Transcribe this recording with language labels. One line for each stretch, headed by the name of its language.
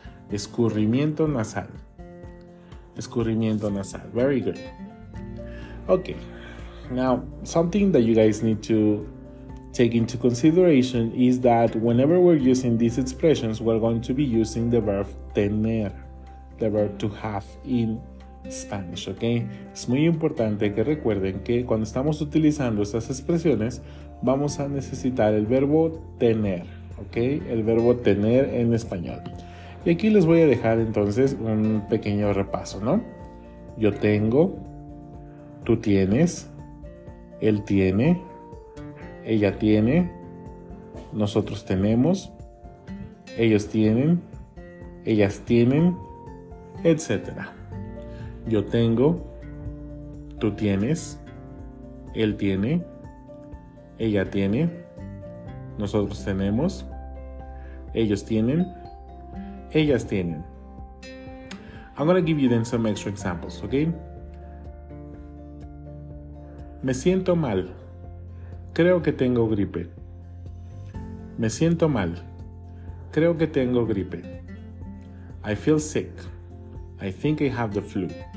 Spanish: Escurrimiento nasal. Escurrimiento nasal.
English: Very good.
Spanish: Okay.
English: Now, something that you guys need to take into consideration is that whenever we're using these expressions, we're going to be using the verb tener, the verb to have in Spanish, ¿ok?
Spanish: Es muy importante que recuerden que cuando estamos utilizando estas expresiones, vamos a necesitar el verbo tener, ¿ok? El verbo tener en español. Y aquí les voy a dejar entonces un pequeño repaso, ¿no? Yo tengo, tú tienes, él tiene, ella tiene, nosotros tenemos, ellos tienen, ellas tienen, etcétera. Yo tengo, tú tienes, él tiene, ella tiene, nosotros tenemos, ellos tienen, ellas tienen.
English: I'm going to give you then some extra examples, okay?
Spanish: Me siento mal. Creo que tengo gripe. Me siento mal. Creo que tengo gripe.
English: I feel sick. I think I have the flu.